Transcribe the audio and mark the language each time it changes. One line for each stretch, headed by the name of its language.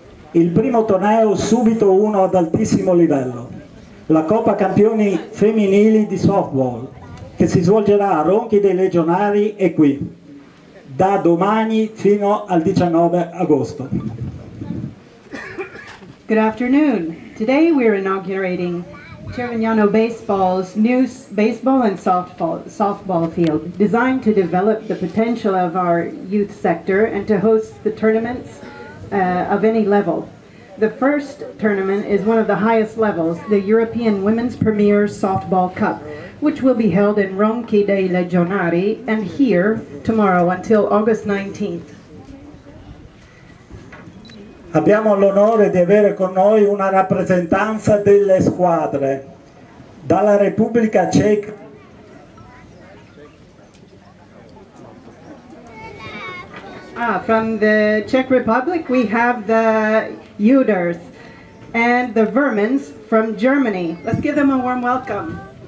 Italian: Il primo torneo subito uno ad altissimo livello, la Coppa Campioni Femminili di Softball, che si svolgerà a Ronchi dei Legionari e qui, da domani fino al 19 agosto.
English: Good afternoon. Today we're inaugurating Cerignano Baseball's new baseball and softball field, designed to develop the potential of our youth sector and to host the tournaments of any level. The first tournament is one of the highest levels, the European Women's Premier Softball Cup, which will be held in Ronchi dei Legionari and here tomorrow until August 19th.
Italian: Abbiamo l'onore di avere con noi una rappresentanza delle squadre dalla Repubblica Ceca.
English: Ah, from the Czech Republic we have the Juders and the Vermins from Germany. Let's give them a warm welcome.